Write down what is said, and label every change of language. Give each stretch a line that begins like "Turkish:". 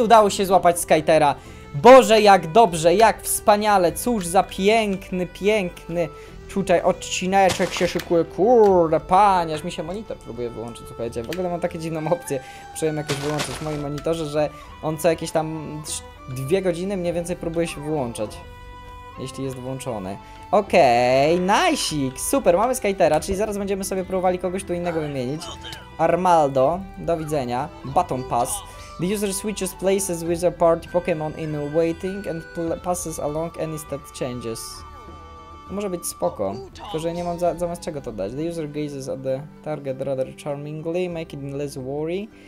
Polish: Udało się złapać Skytera! Boże, jak dobrze, jak wspaniale, cóż za piękny, piękny tutaj odcineczek się szykuje, kurde, panie, aż mi się monitor próbuje wyłączyć, słuchajcie, w ogóle mam takie dziwną opcję, próbuję jakoś wyłączyć w moim monitorze, że on co jakieś tam 2 godziny mniej więcej próbuje się wyłączać, jeśli jest włączony. Okej, okay, najsik, super, mamy Skytera, czyli zaraz będziemy sobie próbowali kogoś tu innego wymienić. Armaldo, do widzenia, Baton Pass.
English: The user switches places with a party Pokemon in waiting and passes along any stat changes.
Polish: To może być spoko, tylko że nie mam zamiast czego to dać.
English: The user gazes at the target rather charmingly, making it less worry.